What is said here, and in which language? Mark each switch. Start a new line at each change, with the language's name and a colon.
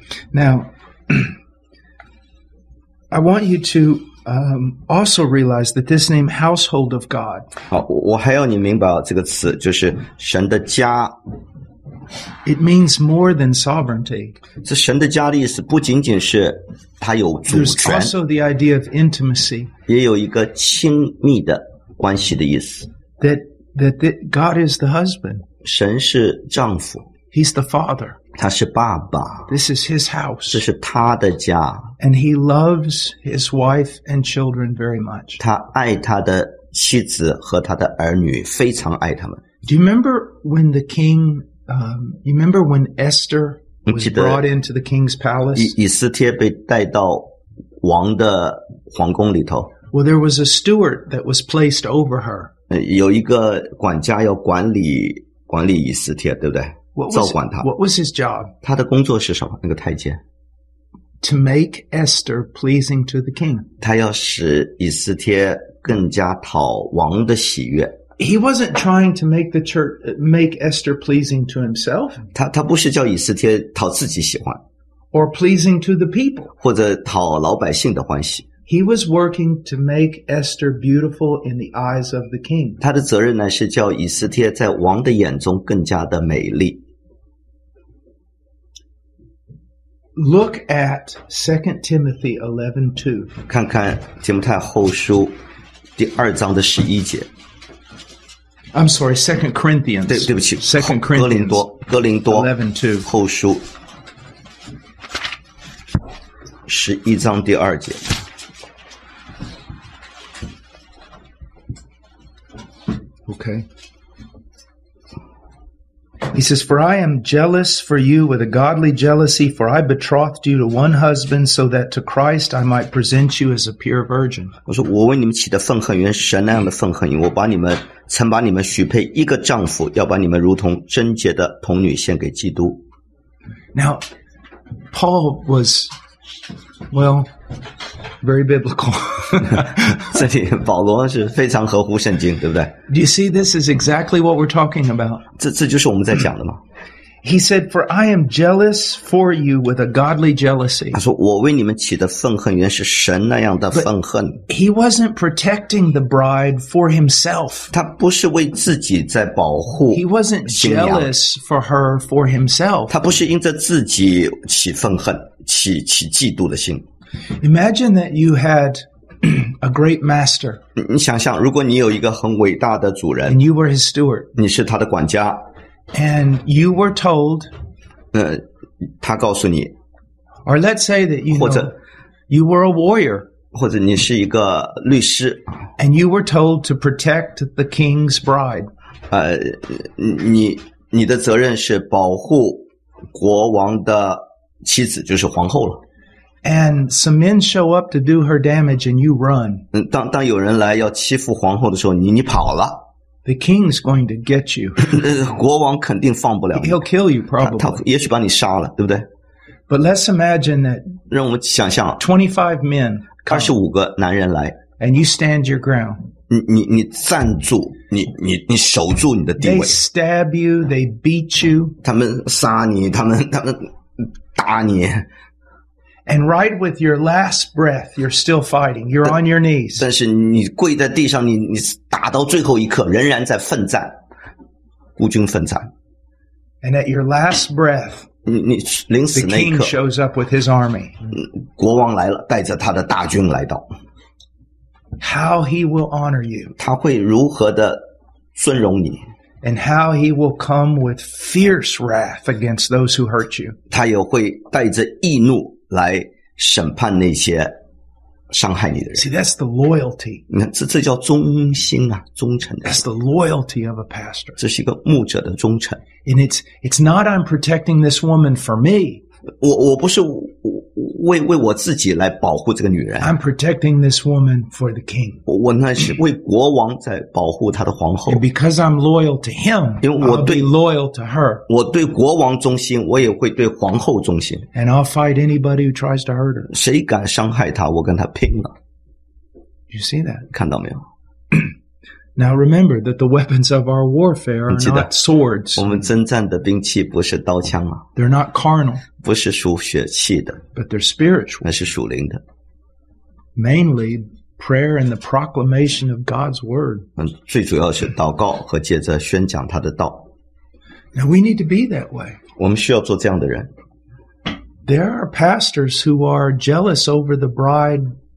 English: Now, I want you to also realize that this name household of God.
Chinese: 好，我还要你明白这个词，就是神的家。
English: It means more than sovereignty.
Chinese: 这神的家的意思不仅仅是他有主权。
English: There's also the idea of intimacy.
Chinese: 也有一个亲密的关系的意思。
English: That God is the husband.
Chinese: 神是丈夫。
English: He's the father.
Chinese: 他是爸爸。
English: This is his house.
Chinese: 这是他的家。
English: And he loves his wife and children very much.
Chinese: 他爱他的妻子和他的儿女，非常爱他们。
English: Do you remember when the king, you remember when Esther was brought into the king's palace?
Chinese: 以斯帖被带到王的皇宫里头。
English: Well, there was a steward that was placed over her.
Chinese: 有一个管家要管理以斯帖，对不对？照管他。
English: What was his job?
Chinese: 他的工作是什么？那个太监。
English: To make Esther pleasing to the king.
Chinese: 他要使以斯帖更加讨王的喜悦。
English: He wasn't trying to make the church make Esther pleasing to himself.
Chinese: 他不是叫以斯帖讨自己喜欢。
English: Or pleasing to the people.
Chinese: 或者讨老百姓的欢喜。
English: He was working to make Esther beautiful in the eyes of the king.
Chinese: 他的责任呢是叫以斯帖在王的眼中更加的美丽。
English: Look at 2 Timothy 11:2.
Chinese: 看看提摩太后书第二章的十一节。
English: I'm sorry, 2 Corinthians.
Chinese: 对不起
English: ,2 Corinthians.
Chinese: 哥林多
English: 11:2.
Chinese: 后书十一章第二节。
English: Okay. He says, For I am jealous for you with a godly jealousy, for I betrothed you to one husband so that to Christ I might present you as a pure virgin.
Chinese: 我说我为你们起的愤恨原是神那样的愤恨，我把你们曾把你们许配一个丈夫，要把你们如同贞洁的童女献给基督。
English: Now, Paul was, well, very biblical.
Chinese: 这里保罗是非常合乎圣经，对不对？
English: Do you see this is exactly what we're talking about?
Chinese: 这就是我们在讲的吗？
English: He said, for I am jealous for you with a godly jealousy.
Chinese: 他说我为你们起的愤恨原是神那样的愤恨。
English: But he wasn't protecting the bride for himself.
Chinese: 他不是为自己在保护。
English: He wasn't jealous for her for himself.
Chinese: 他不是因着自己起愤恨，起嫉妒的心。
English: Imagine that you had a great master.
Chinese: 你想象，如果你有一个很伟大的主人，
English: and you were his steward.
Chinese: 你是他的管家，
English: and you were told.
Chinese: 他告诉你，
English: or let's say that you know,
Chinese: 或者
English: you were a warrior.
Chinese: 或者你是一个律师，
English: and you were told to protect the king's bride.
Chinese: 你的责任是保护国王的妻子，就是皇后了。
English: And some men show up to do her damage and you run.
Chinese: 当有人来要欺负皇后的时候，你跑了。
English: The king's going to get you.
Chinese: 国王肯定放不了你。
English: He'll kill you probably.
Chinese: 他也许把你杀了，对不对？
English: But let's imagine that
Chinese: 让我想象
English: 25 men come,
Chinese: 25个男人来。
English: And you stand your ground.
Chinese: 你站住，你守住你的地位。
English: They stab you, they beat you.
Chinese: 他们杀你，他们打你。
English: And right with your last breath, you're still fighting. You're on your knees.
Chinese: 但是你跪在地上，你打到最后一刻，仍然在奋战，孤军奋战。
English: And at your last breath,
Chinese: 你临死那一刻
English: ，the king shows up with his army.
Chinese: 国王来了，带着他的大军来到。
English: How he will honor you?
Chinese: 他会如何的尊荣你？
English: And how he will come with fierce wrath against those who hurt you?
Chinese: 他也会带着义怒。来审判那些伤害你的人。
English: See, that's the loyalty.
Chinese: 这叫忠心啊，忠诚。
English: That's the loyalty of a pastor.
Chinese: 这是一个牧者的忠诚。
English: And it's not I'm protecting this woman for me.
Chinese: 我不是为我自己来保护这个女人。
English: I'm protecting this woman for the king.
Chinese: 我那是为国王在保护他的皇后。
English: And because I'm loyal to him,
Chinese: 因为我对
English: I'll be loyal to her.
Chinese: 我对国王忠心，我也会对皇后忠心。
English: And I'll fight anybody who tries to hurt her.
Chinese: 谁敢伤害他，我跟他拼了。
English: You see that?
Chinese: 看到没有？
English: Now remember that the weapons of our warfare are not swords.
Chinese: 我们征战的兵器不是刀枪啊。
English: They're not carnal.
Chinese: 不是属血气的。
English: But they're spiritual.
Chinese: 那是属灵的。
English: Mainly prayer and the proclamation of God's word.
Chinese: 最主要是祷告和借着宣讲他的道。
English: Now we need to be that way.
Chinese: 我们需要做这样的人。
English: There are pastors who are jealous over the bride.